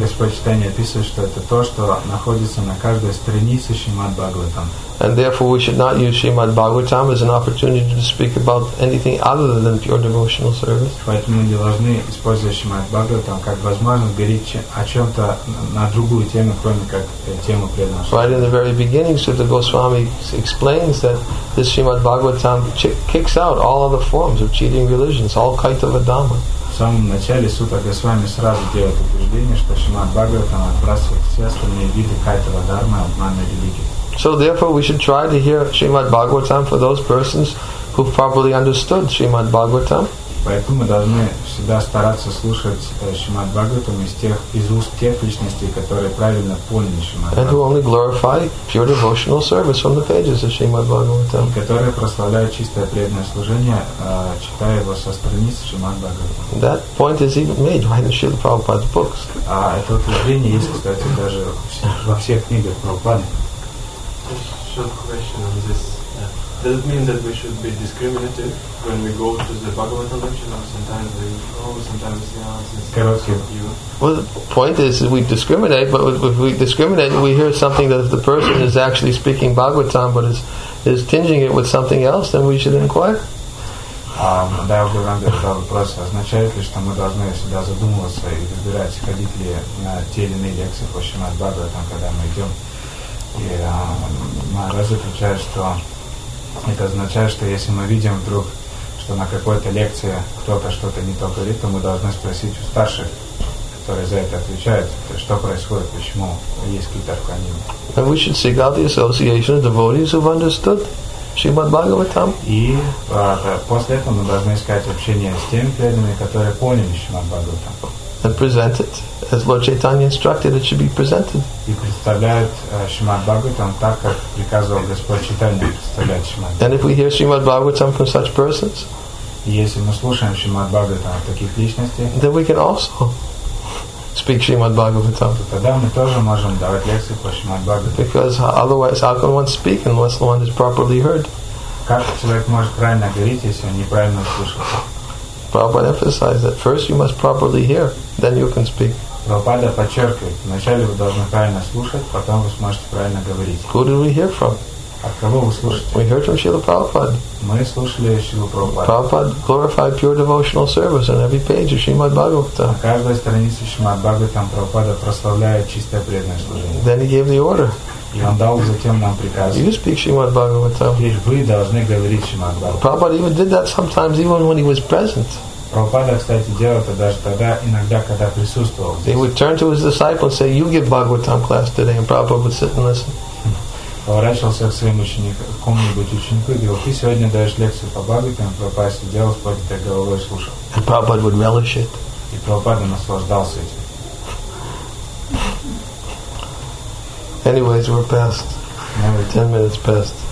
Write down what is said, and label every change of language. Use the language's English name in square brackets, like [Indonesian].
[Russian] Как Господь Chaitanya описывает, что это то, что находится на каждой странице Шримад Бхагаватам. [English] And therefore we should not use Shrimad Bhagavatam as an opportunity to speak about anything other than pure devotional service. [Russian] Поэтому мы должны использовать Шримад Бхагаватам как возможность говорить о чем-то на другую тему, кроме как тему преданного служения. [English] Right in the very beginning, Sutta Goswami explains that this Shrimad Bhagavatam kicks out all other forms of cheating religions, all kinds of dhamma. [Russian] В самом начале Сутта Госвами сразу делает утверждение, что Шримад Бхагаватам отбрасывает все остальные виды кайтава дхармы, обманной религии. [English] So therefore we should try to hear Srimad Bhagavatam for those persons who properly understood Srimad Bhagavatam. [Russian] Поэтому мы должны всегда стараться слушать Шримад Бхагаватам из уст тех личностей, которые правильно поняли Шримад Бхагаватам. [English] And who only glorify pure devotional service from the pages of Srimad Bhagavatam. [Russian] Которые прославляют чистое преданное служение, читая его со страниц Шримад Бхагаватам. [English] That point is even made right in Srila Prabhupada's books. [Russian] А это утверждение есть, кстати, даже во всех книгах Прабхупады. [English] Short question on this. Does it mean that we should be discriminative when we go to the Bhagavatam lecture? Or sometimes we go, sometimes you. Well, the point is that we discriminate, but if we discriminate, we hear something that if the person is actually speaking Bhagavatam but is tinging it with something else, then we should inquire. [Russian] Да, я уже вам задал вопрос, означает ли, что мы должны всегда задумываться и выбирать, ходить ли на те или иные лекции по Шримад Бхагаватам, когда мы идем. Разве означает, что это означает, что если мы видим вдруг, что на какой-то лекции кто-то что-то не то говорит, то мы должны спросить у старших, которые за это отвечают, что происходит, почему есть какие-то отклонения. [English] We should seek out the association of devotees who've understood Shrimad Bhagavatam. [Russian] И после этого мы должны искать общение с теми преданными, которые поняли Shrimad Bhagavatam. [English] And present it as Lord Chaitanya instructed it should be presented. [Russian] И представляют Шримад Бхагаватам так, как приказывал Господь Чайтанья представлять Шримад. [English] And if we hear Shrimad Bhagavatam from such persons, [Russian] если мы слушаем Шримад Бхагаватам от таких личностей, [English] then we can also speak Shrimad Bhagavatam. [Russian] Тогда мы тоже можем давать лекции по Шримад Бхагаватам. [English] Because otherwise, how can one speak unless one is properly heard? [Russian] Как человек может правильно говорить, если он неправильно слышит? [English] Prabhupada emphasized that first you must properly hear, then you can speak. [Russian] Prabhupada подчеркивает, вначале вы должны правильно слушать, потом вы сможете правильно говорить. [English] Who did we hear from? [Russian] От кого вы слушаете? [English] We heard from Srila Prabhupada. [Russian] Мы слушали Шрилу Прабхупаду. [English] Prabhupada glorified pure devotional service on every page of Srimad Bhagavatam. [Russian] На каждой странице Шримад Бхагаватам Прабхупада прославляет чистое преданное служение. [English] Then he gave the order. [Russian] И он дал затем нам приказ. [English] You speak Shrimad Bhagavatam. [Russian] Лишь вы должны говорить Shrimad Bhagavatam. [English] Prabhupada even did that sometimes even when he was present. [Russian] Прабхупада, кстати, делал это даже тогда, иногда, когда присутствовал здесь. [English] He would turn to his disciples and say, you give Bhagavatam class today, and Prabhupada would sit and listen. [Russian] Поворачивался к своим ученикам, к кому-нибудь ученику, и говорил, ты сегодня даешь лекцию по Бхагаватам, Прабхупада сидел с поднятой головой и слушал. [English] And Prabhupada would relish it. [Russian] И Прабхупада наслаждался этим. [English] Anyways, we're past. 10 minutes past.